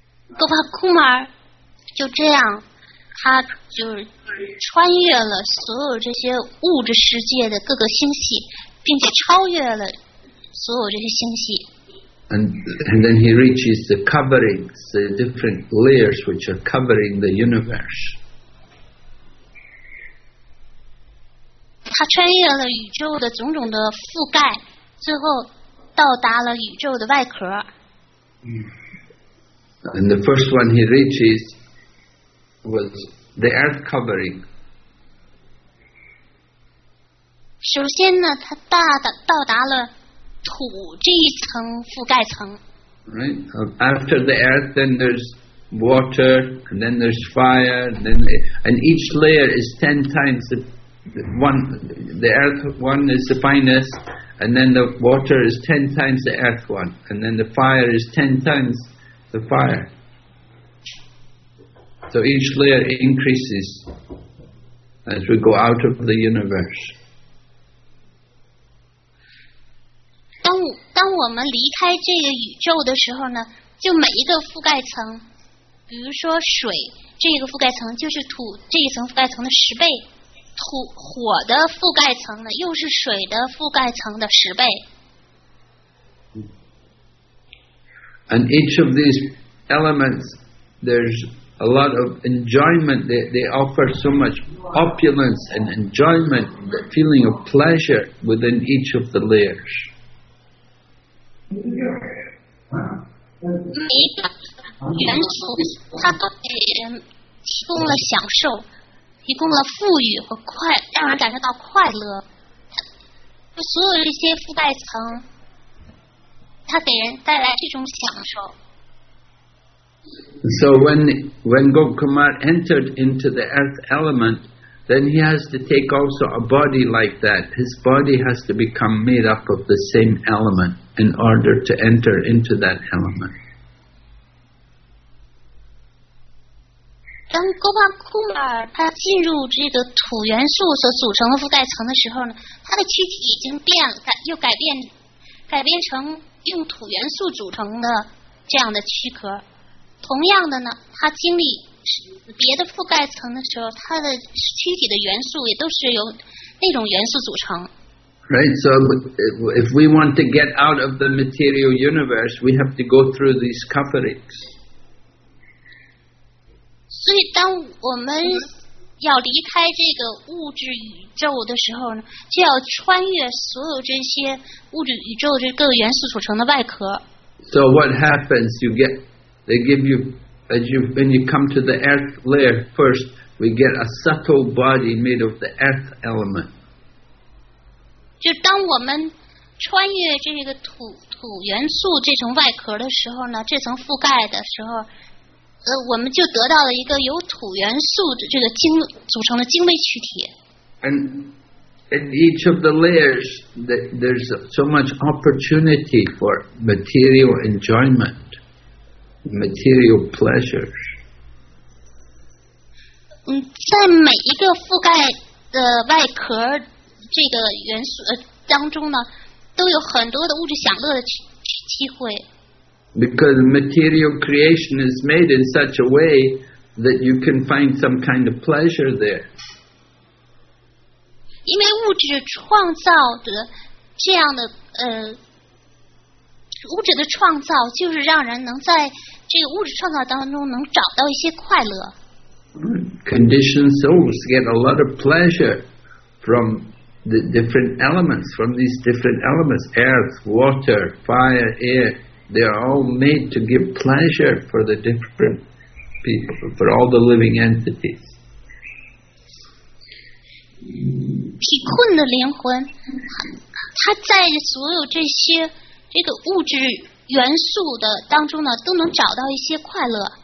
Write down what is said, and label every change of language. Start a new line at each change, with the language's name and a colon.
Chinese: Gop Kumar 就这样，他就是穿越了所有这些物质世界的各个星系，并且超越了所有这些星系。
English: And then he reaches the coverings, the different layers which are covering the universe.
Chinese: 他穿越了宇宙的种种的覆盖，最后到达了宇宙的外壳。
English: And the first one he reaches was the earth covering.
Chinese: 首先呢，它到达了土这一层覆盖层。
English: Right. After the earth, then there's water, and then there's fire, and each layer is 10 times the one. The earth one is the finest, and then the water is 10 times the earth one, and then the fire is 10 times the fire. So each layer increases as we go out of the universe.
Chinese: 当我们离开这个宇宙的时候呢，就每一个覆盖层，比如说水这个覆盖层就是土这一层覆盖层的十倍，土火的覆盖层呢又是水的覆盖层的十倍。
English: And each of these elements, there's. A lot of enjoyment. They offer so much opulence and enjoyment, the feeling of pleasure within each of the layers.
Chinese: 每一个元素，它都给人提供了享受。提供了富裕和快，让人感受到快乐。就所有这些覆盖层，它给人带来这种享受。
English: So when Gop Kumar entered into the earth element, then he has to take also a body like that. His body has to become made up of the same element in order to enter into that element.
Chinese: 当 Gop Kumar 他进入这个土元素所组成的覆盖层的时候呢，他的躯体已经变了，改变成用土元素组成的这样的躯壳。同样的呢，他经历别的覆盖层的时候，他的躯体的元素也都是由那种元素组成。
English: Right, so if we want to get out of the material universe, we have to go through these coverings.
Chinese: 所以当我们要离开这个物质宇宙的时候呢，就要穿越所有这些物质宇宙这各个元素组成的外壳。
English: So what happens, you get... They give you, when you come to the earth layer first, we get a subtle body made of the earth element.
Chinese: 就当我们穿越这个土元素这层外壳的时候呢，这层覆盖的时候，我们就得到了一个由土元素的这个精组成的精微躯体。
English: And in each of the layers, there's so much opportunity for material enjoyment. Material pleasure.
Chinese: 在每一个覆盖的外壳这个元素当中呢，都有很多的物质享乐的机会。
English: Because material creation is made in such a way that you can find some kind of pleasure there.
Chinese: 因为物质创造的这样的物质的创造就是让人能在这个物质创造当中能找到一些快乐。
English: Conditioned souls get a lot of pleasure from the different elements, from these different elements, earth, water, fire, air. They are all made to give pleasure for the different people, for all the living entities.
Chinese: 体困的灵魂，它在所有这些这个物质元素的当中呢，都能找到一些快乐。